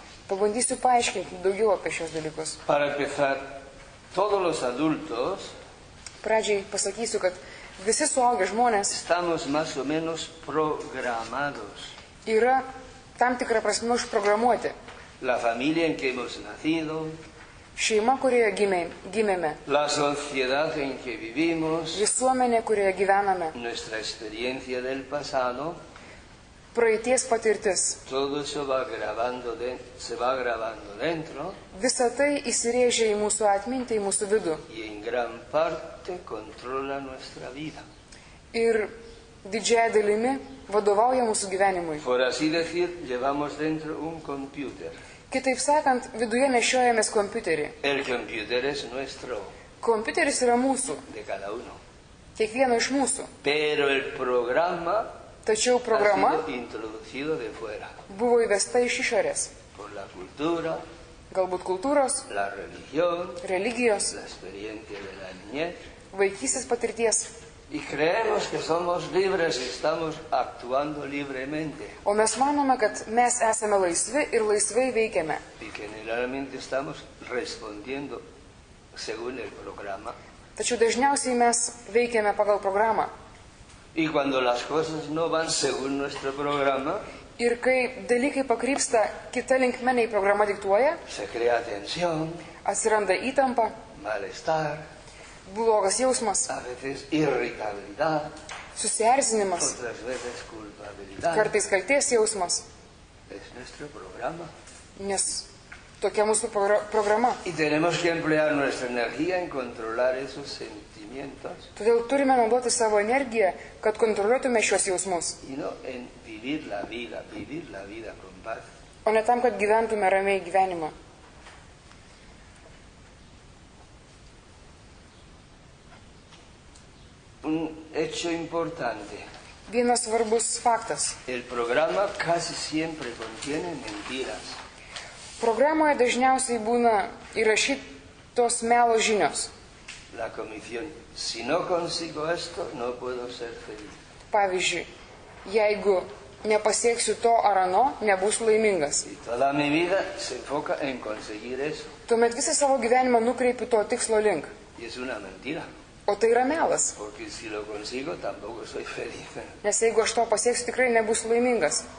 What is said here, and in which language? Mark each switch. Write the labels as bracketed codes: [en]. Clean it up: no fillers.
[lt] Pabandysiu paaiškinti daugiau apie šios dalykus. [es] Para empezar, todos los adultos, [lt] pradžiai pasakysiu, kad visi suaugę žmonės [es] estamos más o menos programados. [lt] Yra tam tikrą prasme užprogramuoti. [es] La familia en que hemos nacido. [lt] Šeima, kurioje gimėme. [es] La sociedad en que vivimos. [lt] Visuomenė, kurioje gyvename. [es] Nuestra experiencia del pasado. [lt] Praeities patirtis. [es] Todo eso va grabando se va grabando dentro. [lt] Visa tai įsirėžia į mūsų atmintį, į mūsų vidų. [es] Y en gran parte controla nuestra vida. [lt] Ir didžiąja dalimi vadovauja mūsų gyvenimui. [es] Por así decir, llevamos dentro un computer. [lt] Kitaip sakant, viduje nešiojamės kompiuterį. [es] El computer es nuestro. [lt] Kompiuteris yra mūsų. [es] De cada uno. [lt] Kiekvieno iš mūsų. [es] Pero el programa. [lt] Tačiau programa [es] introducido de fuera. [lt] Buvo įvesta iš išorės. [es] Por la cultura. [lt] Galbūt kultūros. [es] La religión. [lt] Religijos. [es] La experiencia de la niñez. [lt] Vaikystės patirties. [es] Y creemos que somos libres y estamos actuando libremente. [lt] O mes manome, kad mes esame laisvi ir laisvai veikiame. [es] Y generalmente estamos respondiendo según el programa. [lt] Tačiau dažniausiai mes veikiame pagal programą. [es] Y cuando las cosas no van según nuestro programa, [lt] ir kai dalykai pakrypsta kita linkme nei programa diktuoja, [es] se crea tensión, [lt] atsiranda įtampa, [es] malestar, [lt] blogas jausmas, [es] a veces irritabilidad, [lt] susierzinimas, [es] otras veces culpabilidad, [lt] kartais kaltės jausmas, [es] es nuestro programa, [lt] nes tokia mūsų programa. [es] Y tenemos que emplear nuestra energía en controlar esos sentimientos. [lt] Todėl turime naudoti savo energiją, kad kontroliuotume šios jausmus. [es] Y no en vivir la vida, vivir la vida con paz. [lt] O ne tam, kad gyventume ramiai gyvenimą. [es] Un hecho importante. [lt] Vienas svarbus faktas. [es] El programa casi siempre contiene mentiras. [lt] Programoje dažniausiai būna įrašytos melo žinios. [es] La comisión, si no consigo esto, no puedo ser feliz. [lt] Pavyzdžiui, jeigu nepasieksiu to ar ano, nebūsiu laimingas. [es] Y toda mi vida se enfoca en conseguir eso. [lt] Tuomet visą savo gyvenimą nukreipiu to tikslo link. [es] Y es una mentira. [lt] O tai yra melas. [es] Porque si lo consigo, tampoco soy feliz. [lt] Nes jeigu aš to pasieksiu, tikrai nebūsiu laimingas.